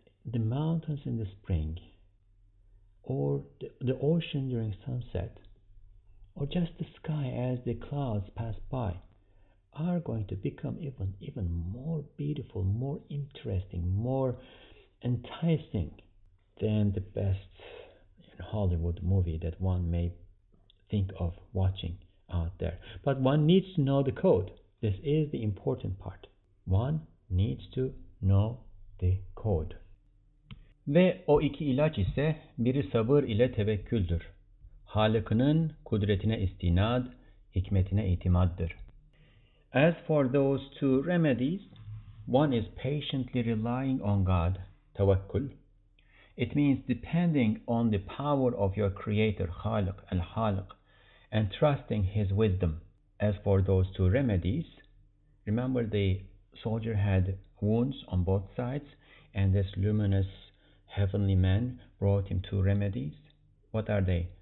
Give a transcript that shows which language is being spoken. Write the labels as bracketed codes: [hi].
[en] the mountains in the spring, or the ocean during sunset, or just the sky as the clouds pass by, are going to become even more beautiful, more interesting, more enticing than the best Hollywood movie that one may think of watching out there. But one needs to know the code. This is the important part. One needs to know the code. [tr] Ve o iki ilaç ise biri sabır ile tevekküldür. Halık'ının kudretine istinad, hikmetine itimaddır. [en] As for those two remedies, one is patiently relying on God, tevekkül. It means depending on the power of your creator, Halık, el-Halık, and trusting his wisdom. As for those two remedies, remember the soldier had wounds on both sides, and this luminous heavenly man brought him two remedies. What are they?